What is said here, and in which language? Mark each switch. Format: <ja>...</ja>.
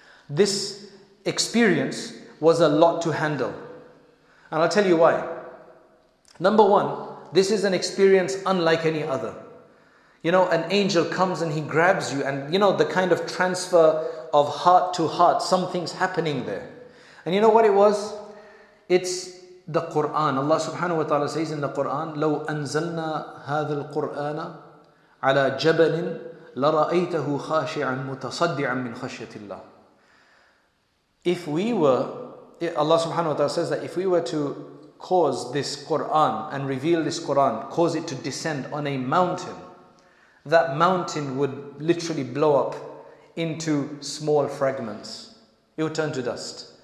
<en>This experience was a lot to handle. And I'll tell you why. Number one, this is an experience unlike any other. You know, an angel comes and he grabs you, and you know, the kind of transfer of heart to heart, something's happening there. And you know what it was? It's the Quran. Allah subhanahu wa ta'ala says in the Quran,</en> <ar>لو أنزلنا هذا القرآن على جبل لرأيته خاشعا متصدعا من خشية الله.</ar> <en>If we were, Allah subhanahu wa ta'ala says that if we were to cause this Quran and reveal this Quran, cause it to descend on a mountain, that mountain would literally blow up into small fragments. It would turn to dust.</en>